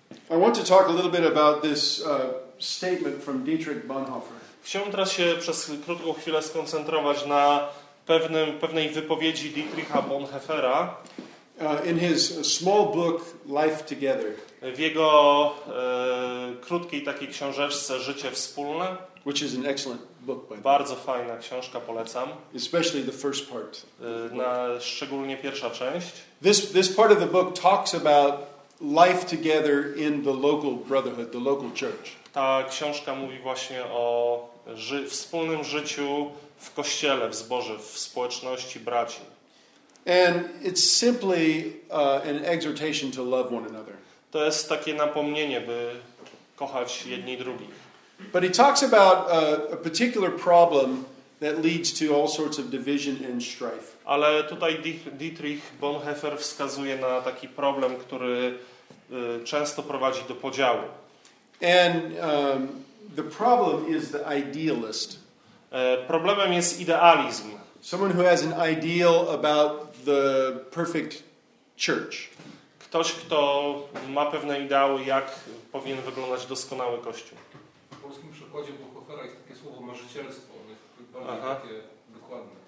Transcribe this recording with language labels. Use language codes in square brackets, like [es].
[en] I want to talk a little bit about this statement from Dietrich Bonhoeffer. [pl] Chciałbym teraz się przez krótką chwilę skoncentrować na pewnej wypowiedzi Dietricha Bonhoeffera. [en] In his small book Life Together. [pl] W jego krótkiej takiej książeczce Życie wspólne. [en] Which is an excellent book, by the way. [pl] Bardzo fajna książka, polecam. [en] Especially the first part. [pl] Szczególnie pierwsza część. [en] This part of the book talks about life together in the local brotherhood, the local church. [pl] Ta książka mówi właśnie o wspólnym życiu w kościele, w zborze, w społeczności braci. [en] And it's simply an exhortation to love one another. [pl] To jest takie napomnienie, by kochać jedni drugich. [en] But he talks about a particular problem that leads to all sorts of division and strife. [pl] Ale tutaj Dietrich Bonhoeffer wskazuje na taki problem, który często prowadzi do podziału. [en] And the problem is the idealist. [pl] Problemem jest idealizm. [en] Someone who has an ideal about the perfect church. [pl] Ktoś, kto ma pewne ideały, jak powinien wyglądać doskonały kościół. W polskim przykładzie Bonhoeffera jest takie słowo marzycielstwo. Jest bardziej takie dokładne.